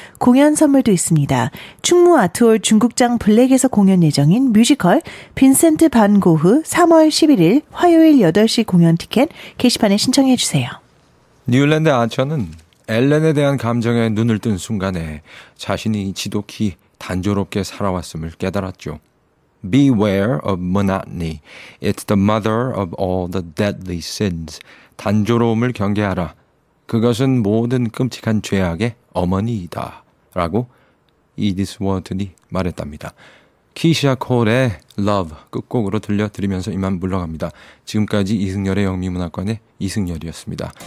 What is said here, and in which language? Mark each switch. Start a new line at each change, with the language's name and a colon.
Korean: 공연 선물도 있습니다. 충무 아트홀 중국장 블랙에서 공연 예정인 뮤지컬 빈센트 반 고흐 3월 11일 화요일 8시 공연 티켓 게시판에 신청해 주세요. 뉴랜드 아처는 엘렌에 대한 감정에 눈을 뜬 순간에 자신이 지독히 단조롭게 살아왔음을 깨달았죠.
English: Beware of monotony. It's the mother of all the deadly sins.
Korean: 단조로움을 경계하라. 그것은 모든 끔찍한 죄악의 어머니이다. 라고 이디스 워튼이 말했답니다. 키샤 콜의 Love 끝곡으로 들려드리면서 이만 물러갑니다. 지금까지 이승열의 영미문학관의 이승열이었습니다.